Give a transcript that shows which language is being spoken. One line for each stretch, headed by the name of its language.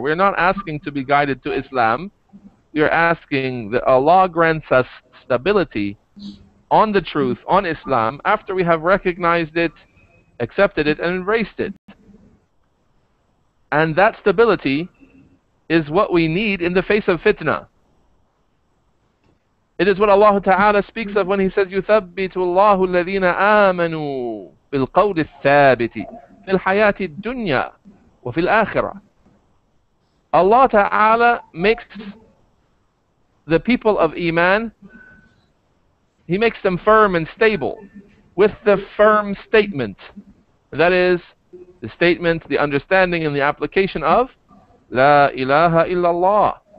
English: We are not asking to be guided to Islam. We are asking that Allah grants us stability on the truth, on Islam, after we have recognized it, accepted it, and embraced it. And that stability is what we need in the face of fitna. It is what Allah Ta'ala speaks of when He says,
Arabic: يُثَبِّتُ اللَّهُ الَّذِينَ آمَنُوا بِالْقَوْلِ الثَّابِتِ فِي الْحَيَاةِ الدُّنْيَا وَفِي الْآخِرَةِ.
English: Allah Ta'ala makes the people of Iman, He makes them firm and stable with the firm statement. That is, the statement, the understanding, and the application of La ilaha illallah.